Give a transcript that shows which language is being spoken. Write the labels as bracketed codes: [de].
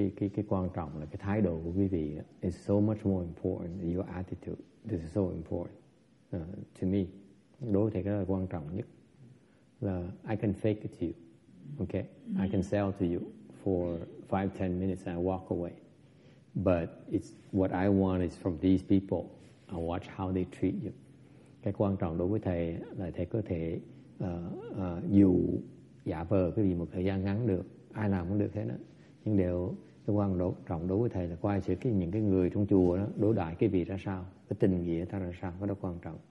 [vi] Cái quan trọng là cái thái độ của quý vị [en] is so much more important than your attitude. This is so important to me. [vi] Đối với thầy cái đó là quan trọng nhất. [en] Là I can fake it to you. Okay? I can sell to you for 5-10 minutes and I walk away. But it's what I want is from these people. I watch how they treat you. [vi] Cái quan trọng đối với thầy là thầy có thể dù giả vờ cái gì một thời gian ngắn được. Ai làm cũng được thế đó. Nhưng điều tôi quan trọng đối với thầy là coi sự những cái người trong chùa đó đối đãi cái vị ra sao, cái tình nghĩa ta ra sao, cái đó quan trọng.